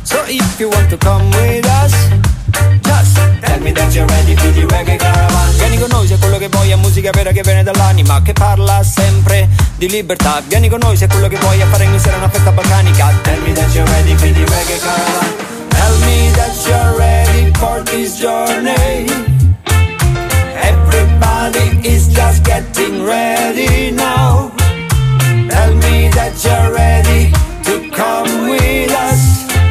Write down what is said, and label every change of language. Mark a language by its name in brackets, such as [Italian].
[English] if you want to come with us, just tell me that you're ready for the reggae caravan. [Italian] Vieni con noi se quello che vuoi è musica vera che viene dall'anima, che parla sempre di libertà. Vieni con noi se quello che vuoi è fare ogni sera una festa balcanica. [English] Tell me that you're ready for the reggae caravan. Tell me that you're ready for this journey. Everybody is just getting ready now. Tell me that you're ready to come with us.